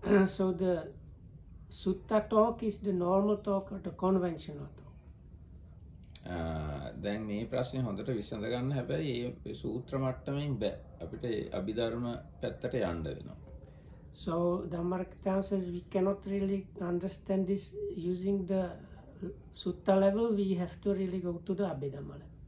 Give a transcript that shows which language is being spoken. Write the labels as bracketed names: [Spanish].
[English] So the sutta talk is the normal talk or the conventional talk. [Sinhala] දැන් මේ ප්‍රශ්නේ හොඳට විසඳ ගන්න හැබැයි මේ සූත්‍ර මට්ටමින් බෑ. අපිට අභිධර්ම පැත්තට යන්න වෙනවා. [English] So the Marakita says we cannot really understand this using the sutta level, we have to really go to the Abhidhamma level.